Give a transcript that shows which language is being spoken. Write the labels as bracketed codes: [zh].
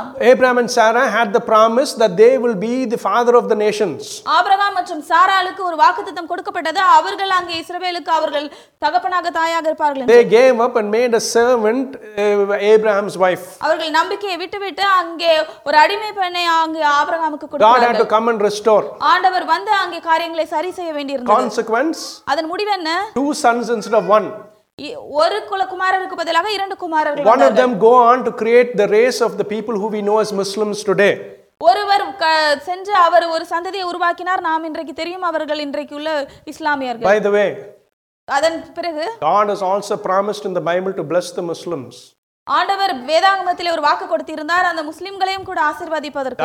[en] Abraham and Sarah had the promise that they will be the father of the nations. [ta] Abraham மற்றும் சாராளுக்கு ஒரு வாக்குத்தத்தம் கொடுக்கப்பட்டது. அவர்கள் அங்கே இஸ்ரவேலுக்கு அவர்கள் தகப்பனாக தாயாக இருப்பார்கள். [en] They gave up and made a servant Abraham's wife. [ta] அவர்கள் நம்பிக்கையை விட்டுவிட்டு அங்கே ஒரு அடிமை பெண்ணை அங்கே ஆபிரகாமுக்கு கொடுத்தார்கள். [en] God had to come and restore. [ta] ஆண்டவர் வந்து அங்கே காரியங்களை சரி செய்ய வேண்டியிருந்தது. [en] Consequence? [ta] அதன் முடிவு என்ன? [en] Two sons instead of one. [ta] ஒரு குல குமாரருக்கு பதிலாக இரண்டு குமாரர்கள் [en] One of them go on to create the race of the people who we know as Muslims today. [ta] ஒருவர் சென்று அவர் ஒரு சந்ததியை உருவாக்கினார் நாம் இன்றைக்கு தெரியும் அவர்கள் இன்றைக்கு உள்ள இஸ்லாமியர்கள் [en] By the way [ta] அதன் பிறகு [en] God has also promised in the Bible to bless the Muslims. [ta] ஆண்டவர் வேதாகமத்தில் ஒரு வாக்கு கொடுத்திருந்தார் அந்த முஸ்லிம்களையும் கூட ஆசீர்வதிப்பதற்கு